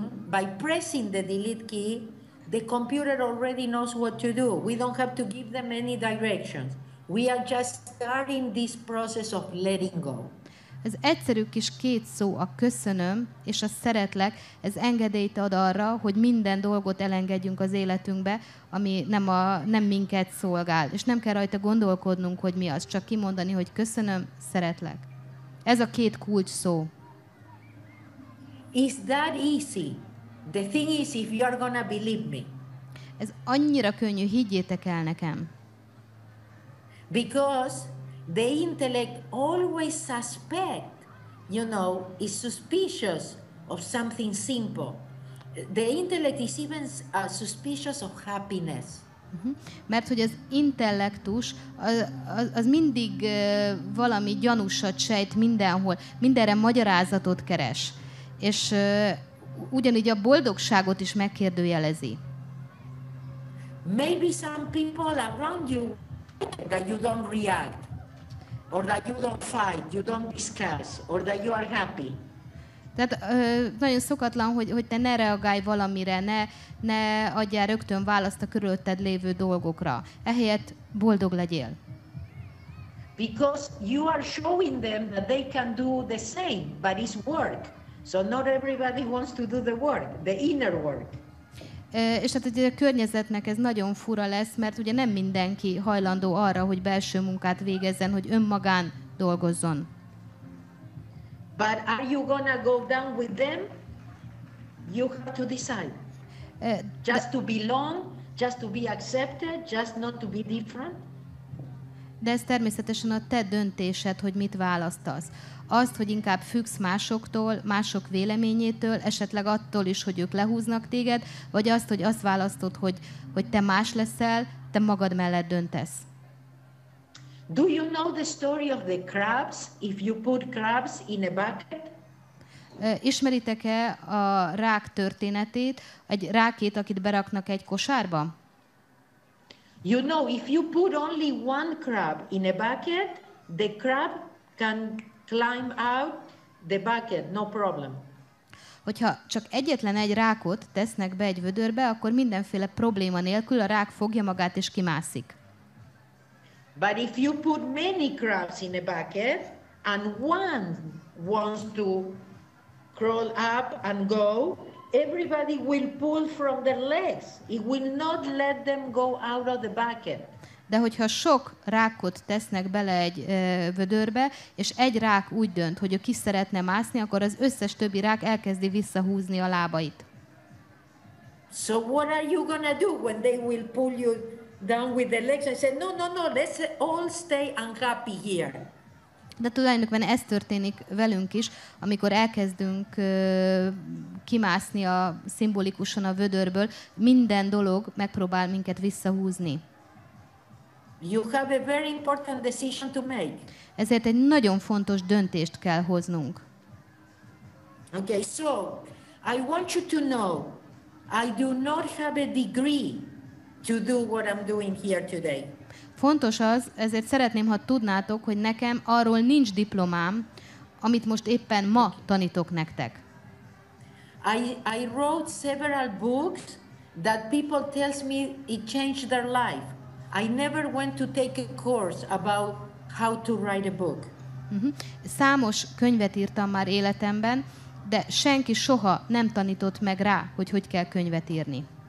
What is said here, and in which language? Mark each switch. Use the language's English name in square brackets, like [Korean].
[English] By pressing the delete key, the computer already knows what to do. We don't have to give them any directions. We are just starting this process of letting go. [Hungarian] Ez egyszerű kis két szó, a köszönöm és a szeretlek, ez engedélyt ad arra, hogy minden dolgot elengedjünk az életünkbe, ami nem minket szolgál. És nem kell rajta gondolkodnunk, hogy mi az, csak kimondani, hogy köszönöm, szeretlek. Ez a két kulcs szó. [English] Is that easy? The thing is, if you are gonna believe me. [Hungarian] Ez annyira könnyű, higgyétek el nekem. [English] Because the intellect always suspect, you know, is suspicious of something simple. The intellect is even suspicious of happiness. [Hungarian] Mert hogy az intellektus az mindig valami gyanúsat sejt mindenhol, mindenre magyarázatot keres, és ugyanígy a boldogságot is megkérdőjelezi. [English] Maybe some people around you that you don't react. Or that you don't fight, you don't discuss, or that you are happy. [Hungarian] Tehát nagyon szokatlan, hogy te ne reagálj valamire, ne adjál rögtön választ a körülötted lévő dolgokra. Ehelyett boldog legyél. [English] Because you are showing them that they can do the same, but it's work. So not everybody wants to do the work, the inner work. [Hungarian] És hát ugye a környezetnek ez nagyon fura lesz, mert ugye nem mindenki hajlandó arra, hogy belső munkát végezzen, hogy önmagán dolgozzon. [English] But are you gonna go down with them? You have to decide. Just to belong, just to be accepted, just not to be different. [Hungarian] De ez természetesen a te döntésed, hogy mit választasz. Azt, hogy inkább függsz másoktól, mások véleményétől, esetleg attól is, hogy ők lehúznak téged, vagy azt, hogy azt választod, hogy te más leszel, te magad mellett döntesz. [English] Do you know the story of the crabs, if you put crabs in a bucket? [Hungarian] Ismeritek-e a rák történetét, egy rákét, akit beraknak egy kosárba? [English] You know, if you put only one crab in a bucket, the crab can climb out the bucket, no problem. [Hungarian] hogyha csak egyetlen egy rákot tesznek be egy vödörbe, akkor mindenféle probléma nélkül a rák fogja magát és kimászik. [English] But if you put many crabs in a bucket and one wants to crawl up and go, everybody will pull from their legs. It will not let them go out of the bucket. [Hungarian] De hogyha sok rákot tesznek bele egy vödörbe, és egy rák úgy dönt, hogy ő ki szeretne mászni, akkor az összes többi rák elkezdi visszahúzni a lábait. [English] So what are you gonna do when they will pull you down with the legs? I said, no, let's all stay unhappy here. [Hungarian] De tulajdonképpen ez történik velünk is, amikor elkezdünk kimászni a szimbolikusan a vödörből, minden dolog megpróbál minket visszahúzni. [English] You have a very important decision to make. [Hungarian] Ezért egy nagyon fontos döntést kell hoznunk. [English] Okay, so I want you to know, I do not have a degree to do what I'm doing here today. [Hungarian] Fontos az, ezért szeretném, ha tudnátok, hogy nekem arról nincs diplomám, amit most éppen ma tanítok nektek. [English] I wrote several books that people tells me it changed their life. I never went to take a course about how to write a book. Uh-huh. [Hungarian] Számos könyvet írtam már életemben, de senki soha nem tanított meg rá, hogy hogy kell könyvet írni.